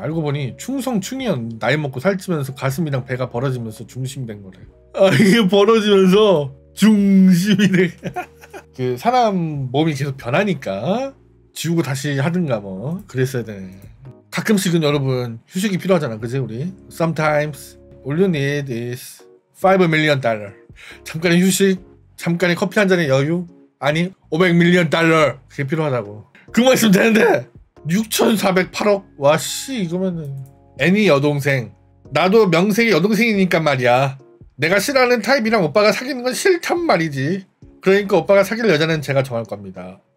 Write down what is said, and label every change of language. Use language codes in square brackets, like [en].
[ko] 알고 보니 충성충이었. 나이 먹고 살찌면서 가슴이랑 배가 벌어지면서 중심이 된 거래. 아 이게 벌어지면서 중심이 돼. 그 사람 몸이 계속 변하니까 지우고 다시 하든가 뭐 그랬어야 되네. 가끔씩은 여러분 휴식이 필요하잖아, 그지 우리? [en] Sometimes all you need is $5 million. [ko] 잠깐의 휴식, 잠깐의 커피 한 잔의 여유, 아니 $500 million 그게 필요하다고. 그만 있으면 되는데 6,408억. 와 씨, 이거면은 애니 여동생. 나도 명색이 여동생이니까 말이야. 내가 싫어하는 타입이랑 오빠가 사귀는 건 싫단 말이지. 그러니까 오빠가 사귈 여자는 제가 정할 겁니다.